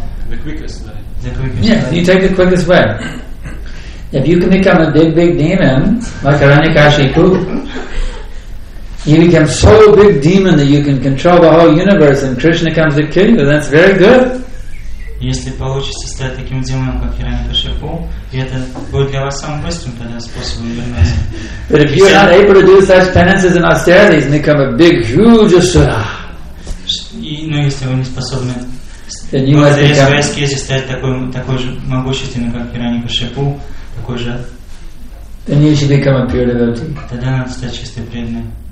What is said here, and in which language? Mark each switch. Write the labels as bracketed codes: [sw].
[en] The quickest way. You take the quickest way. If you can become a big, big demon, like Hiranyakashipu, you become so big demon that you can control the whole universe and Krishna comes to kill you, that's very good. [ru] Если получится стать таким демоном, как Hiranyakashipu, это будет для вас самым быстрым тогда способом вернуться. [en] But if you're not able to do such penances and austerities and become a big, huge asura, [ru] если вы не способны возрезать аскезы, стать такой же могущественным, как Hiranyakashipu, [en] then you should become a pure devotee. [ru] Тогда надо стать чистым преданным.